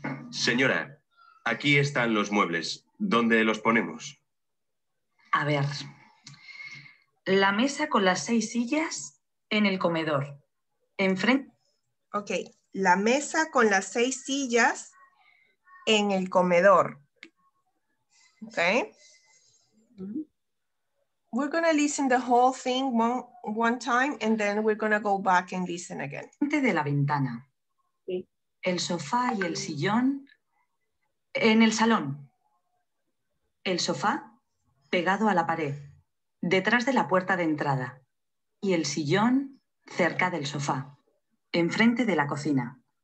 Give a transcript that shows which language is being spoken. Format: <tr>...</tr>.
<es>Señora, aquí están los muebles. ¿Dónde los ponemos? A ver. La mesa con las 6 sillas en el comedor. Enfrente. Ok. La mesa con las 6 sillas en el comedor. Ok.</es> <en>We're going to listen the whole thing one time and then we're going to go back and listen again.</en> <es>Frente de la ventana. El sofá y el sillón en el salón. El sofá pegado a la pared, detrás de la puerta de entrada. Y el sillón cerca del sofá, enfrente de la cocina.</es>